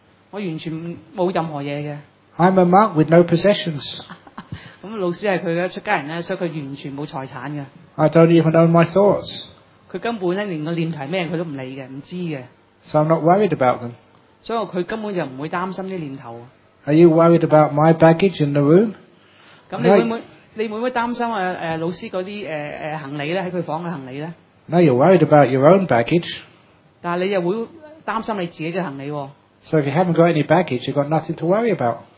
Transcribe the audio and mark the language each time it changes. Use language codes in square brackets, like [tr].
[yue] 我完全冇任何嘢嘅。 [en] I'm a monk with no possessions。 [yue] 咁老師係佢嘅出家人咧，所以佢完全冇財產嘅。 [en] I don't even own my thoughts。 [yue] 佢根本咧連個念頭係咩佢都唔理嘅，唔知嘅。 [en] So I'm not worried about them。 [yue] 所以佢根本就唔會擔心啲念頭。 [en] Are you worried about my baggage in the room? [yue] 咁你會唔會擔心老師嗰啲行李咧喺佢房嘅行李咧 [en] ？No, you're worried about your own baggage. [yue] 但係你又會擔心你自己嘅行李喎。 [en] So if you haven't got any baggage, you've got nothing to worry about.